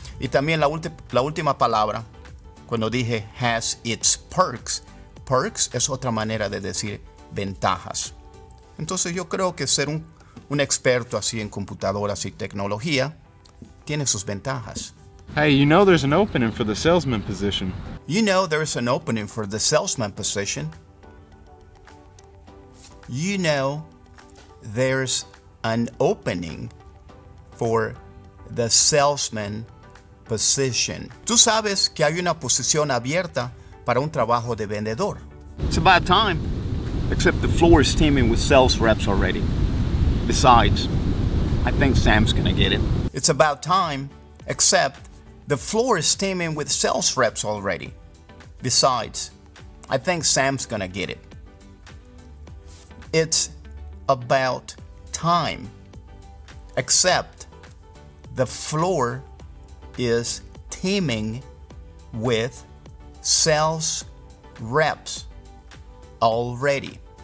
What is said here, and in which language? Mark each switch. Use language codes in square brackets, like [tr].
[es] Y también la última palabra, cuando dije [en] has its perks, [es] perks es otra manera de decir ventajas. Entonces yo creo que ser un experto así en computadoras y tecnología tiene sus ventajas. [en] Hey, you know there's an opening for the salesman position. You know there's an opening for the salesman position. You know, there's an opening for the salesman position. [es] Tú sabes que hay una posición abierta para un trabajo de vendedor. [en] It's about time, except the floor is teeming with sales reps already. Besides, I think Sam's gonna get it. It's about time, except the floor is teeming with sales reps already. Besides, I think Sam's gonna get it. It's about time, except the floor is teeming with sales reps already.